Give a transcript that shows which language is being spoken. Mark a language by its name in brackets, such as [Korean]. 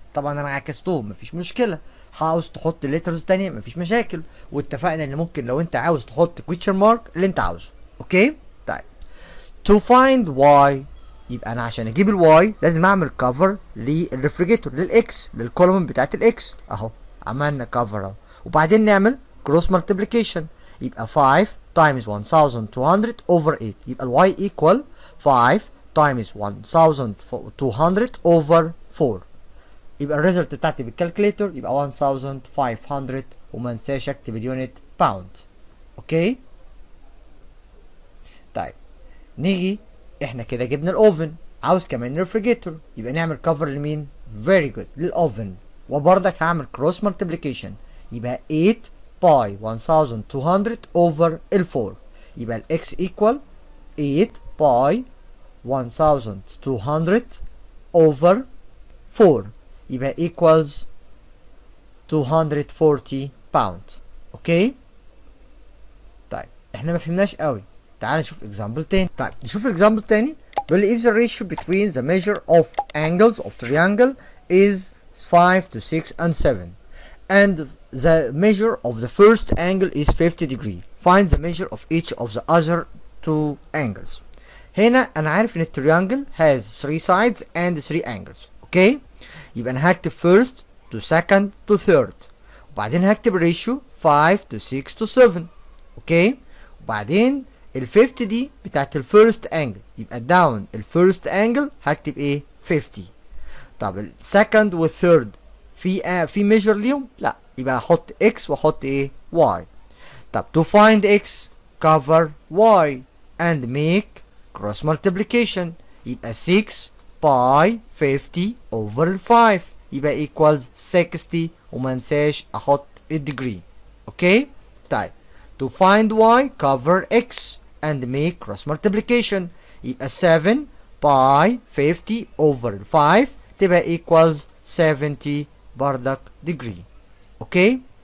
[Arabic] طبعا انا عكستهم مفيش مشكله، عاوز تحط letters تانية مفيش مشاكل، واتفقنا ان ممكن لو انت عاوز تحط question mark اللي انت عاوزه، اوكي. طيب [English] to find y، [Arabic] يبقى انا عشان اجيب ال y لازم اعمل cover للrefrigerator للx للcolumn بتاعت الx. اهو عملنا cover اهو. وبعدين نعمل [English] cross multiplication، يبقى 5 times 1200 over 8، يبقى ال y equal 5 times 1200 over 4. [Arabic] يبقى الريزلت بتاعتي بالكالكليتر يبقى 1500 وما انساش اكتب اليونت باوند، اوكي. طيب نيجي احنا كده جبنا الاوفن، عاوز كمان ريفريجيتور، يبقى نعمل كفر لمين؟ فيري جود، للاوفن. وبرضك هعمل [English] Cross multiplication, يبقى 8 by 1200 over ال 4، يبقى الاكس ايكوال 8 باي 1200 over 4 يبقى equals 240 pound، اوكي. [Arabic] طيب احنا ما فهمناش قوي، تعال نشوف [English] example [Arabic] تاني. طيب نشوف example تاني. بيقول [English] if the ratio between the measure of angles of triangle is 5 to 6 and 7 and the measure of the first angle is 50 degree, find the measure of each of the other two angles. [Arabic] هنا انا عارف ان التريانجل [English] has 3 sides and 3 angles، [Arabic] اوكي. يبقى انا هكتب [English] first to second to third وبعدين هكتب ratio 5 to 6 to 7، okay. [Arabic] وبعدين ال 50 دي بتاعت ال [English] first angle، [Arabic] يبقى down ال first angle هكتب ايه؟ 50. طب ال second و third في measure ليهم؟ لا، يبقى احط x واحط ايه؟ y. [English] طب to find x cover y and make cross multiplication، يبقى 6 by 50 over 5 يبقى equals 60 [Arabic] وما انساش احط الدجري، اوكي. [English] طيب to find y cover x and make cross multiplication، يبقى 7 by 50 over 5 تبقى equals 70 [Arabic] بردك دجري، اوكي.